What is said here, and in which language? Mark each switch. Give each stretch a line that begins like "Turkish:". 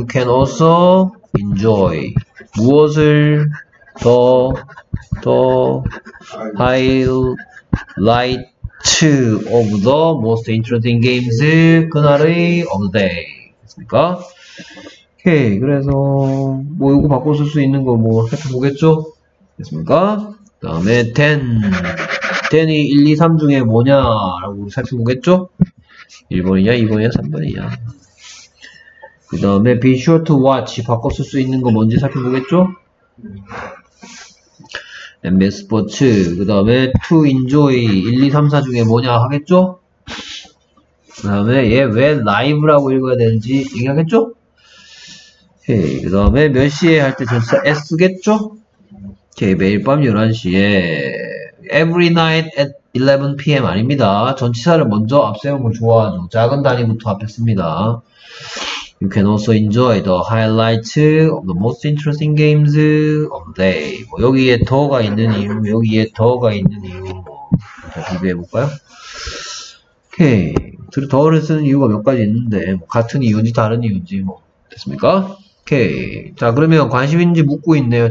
English: You can also enjoy
Korean: 무엇을 더
English: highlight of the most interesting games
Korean: 그날의
English: of the day.
Korean: 그니까 오케이, 그래서 뭐 이거 바꿔 쓸수 있는 거뭐 살펴보겠죠? 됐습니까? 그다음에 10이 1, 2, 3 중에 뭐냐라고 살펴보겠죠? 1번이냐, 2번이냐, 3번이냐. 그 다음에
English: be sure to watch
Korean: 바꿔 쓸수 있는 거 뭔지 살펴보겠죠? MBS 스포츠. 그 다음에 to enjoy 1, 2, 3, 4 중에 뭐냐 하겠죠? 그 다음에 얘왜 라이브라고 읽어야 되는지 얘기하겠죠? 오케이. 그 다음에 몇 시에 할때 전사 S 겠죠? 오케이. 매일 밤 11시에.
English: Every night at 11 PM
Korean: 아닙니다. 전치사를 먼저 앞세운 걸 좋아하죠. 작은 단위부터 앞에 씁니다.
English: You can also enjoy the highlights of the most interesting games of the day.
Korean: 뭐 여기에 더가 있는 이유, 여기에 더가 있는 이유. 자, 비교해볼까요? 오케이. 더를 쓰는 이유가 몇 가지 있는데, 뭐 같은 이유인지 다른 이유인지 뭐, 됐습니까? 오케이. 자, 그러면 관심 있는지 묻고 있네요.